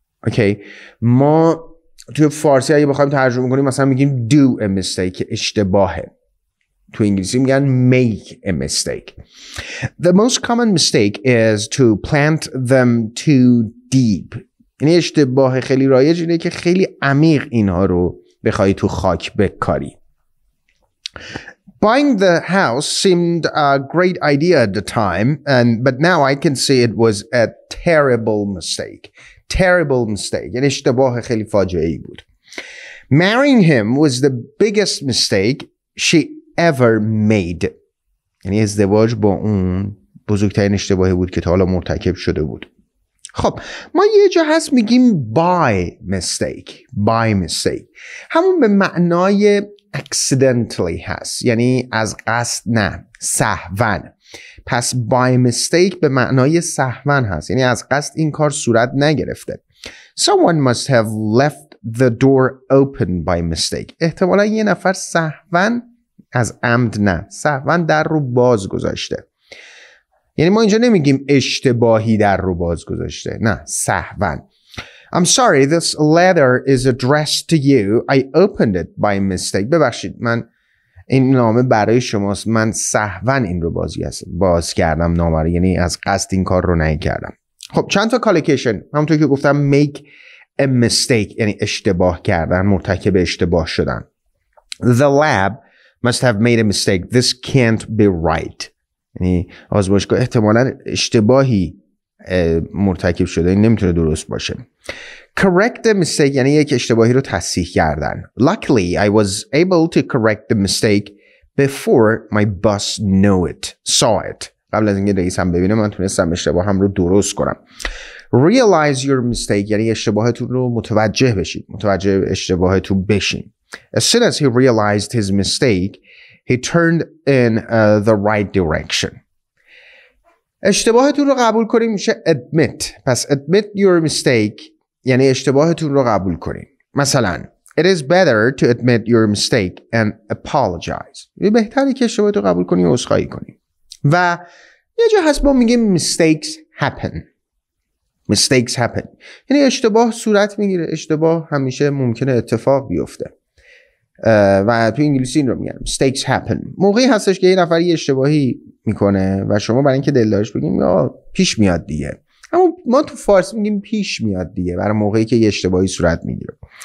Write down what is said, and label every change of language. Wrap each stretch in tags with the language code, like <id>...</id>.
<fa>اوکی، ما تو فارسی اگه بخوایم ترجمه کنیم مثلا میگیم</fa> <en>do a mistake،</en> <fa>اشتباهه. تو انگلیسی میگن</fa> <en>make a mistake. The most common mistake is to plant them too deep.</en> <fa>این اشتباه خیلی رایج اینه که خیلی عمیق اینها رو بخوای تو خاک بکاری.</fa> <en>Buying the house seemed a great idea at the time, but now I can see it was a terrible mistake. Terrible mistake.</en> <fa>این اشتباه خیلی فاجعه‌ای بود.</fa> <en>Marrying him was the biggest mistake she ever made.</en> <fa>یعنی ازدواج با اون بزرگترین اشتباهی بود که تا حالا مرتکب شده بود. خب ما یه جا هست میگیم</fa> <en>by mistake. By mistake</en> <fa>همون به معنای accidentally هست، یعنی از قصد، نه سهوًا. پس</fa> <en>by mistake</en> <fa>به معنای سهوًا هست، یعنی از قصد این کار صورت نگرفته.</fa> <en>Someone must have left the door open by mistake.</en> <fa>احتمالا یه نفر سهوًا، از عمد نه، سهوًا در رو باز گذاشته. یعنی ما اینجا نمیگیم اشتباهی در رو باز گذاشته، نه سهوًا.</fa> <en>I'm sorry this letter is addressed to you. I opened it by mistake.</en> <fa>ببخشید من این نامه برای شماست، من سهوًا این رو باز کردم نامه رو، یعنی از قصد این کار رو نکردم. خب چند تا کالوکیشن، همونطور که گفتم</fa> <en>make a mistake</en> <fa>یعنی اشتباه کردن، مرتکب اشتباه شدن.</fa> <en>The lab must have made a mistake. This can't be right.</en> <fa>یعنی آزمایشگاه احتمالاً اشتباهی مرتکب شده، این نمیتونه درست باشه.</fa> <en>Correct the mistake</en> <fa>یعنی یک اشتباهی رو تصحیح کردن.</fa> <en>Luckily I was able to correct the mistake before my boss saw it.</en> <fa>قبل از اینکه رئیسم ببینه من تونستم اشتباهم رو درست کنم.</fa> <en>Realize your mistake</en> <fa>یعنی اشتباهتون رو متوجه بشید، متوجه اشتباهتون بشین.</fa> <en>As soon as he realized his mistake, he turned in the right direction.</en> <fa>اشتباهتون رو قبول کنیم میشه admit. پس</fa> <en>admit your mistake</en> <fa>یعنی اشتباهتون رو قبول کنیم. مثلا</fa> <en>it is better to admit your mistake and apologize.</en> <fa>یه بهتری که اشتباهتو قبول کنی و عذرخواهی کنی. و یه جا هست ما میگیم</fa> <en>mistakes happen</en> <fa>یعنی اشتباه صورت میگیره، اشتباه همیشه ممکنه اتفاق بیفته. و تو انگلیسی این رو میگن</fa> <en>mistakes happen.</en> <fa>موقعی هستش که یه نفر یه اشتباهی میکنه و شما برای اینکه دلداریش بگیم یا پیش میاد دیگه، اما ما تو فارس میگیم پیش میاد دیگه برای موقعی که یه اشتباهی صورت میگیره.</fa>